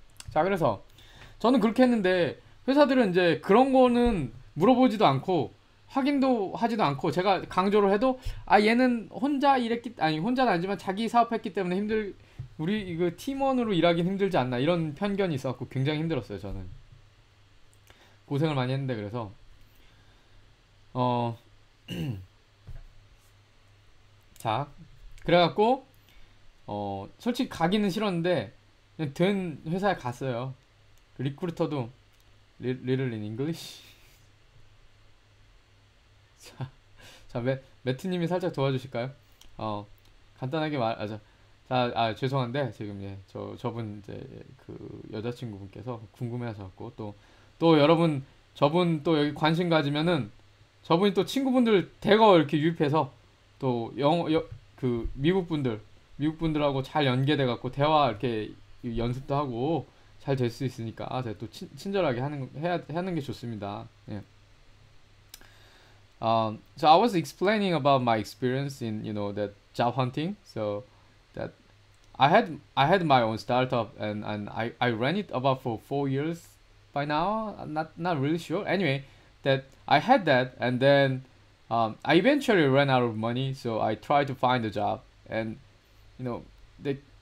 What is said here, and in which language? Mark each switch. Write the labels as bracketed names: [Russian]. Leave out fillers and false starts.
[Korean] 자, 그래서 저는 그렇게 했는데 회사들은 이제 그런 거는 물어보지도 않고 확인도 하지도 않고 제가 강조를 해도 아 얘는 혼자 일했기 아니 혼자는 아니지만 자기 사업했기 때문에 힘들 우리 이거 팀원으로 일하기 힘들지 않나 이런 편견이 있어갖고 굉장히 힘들었어요. 저는 고생을 많이 했는데 그래서 자 그래갖고 솔직히 가기는 싫었는데 그냥 든 회사에 갔어요. 리크루터도 [English] Little in English. [Korean] 자, 매트님이 살짝 도와주실까요? 간단하게 말, 아, 자, 아, 죄송한데, 지금, 예, 저분, 이제, 그, 여자친구분께서 궁금해하셨고, 또 여러분, 저분 또 여기 관심 가지면은, 저분이 또 친구분들 대거 이렇게 유입해서, 또, 미국분들하고 잘 연계돼갖고, 대화 이렇게 연습도 하고, 잘될수 있으니까, 아, 제가 또 친절하게 하는 게 좋습니다. 예. [English] So I was explaining about my experience in, that job hunting. So that I had my own startup and I ran it about for 4 years by now. I'm not really sure. Anyway, that I had that, and then I eventually ran out of money, so I tried to find a job, and you know, the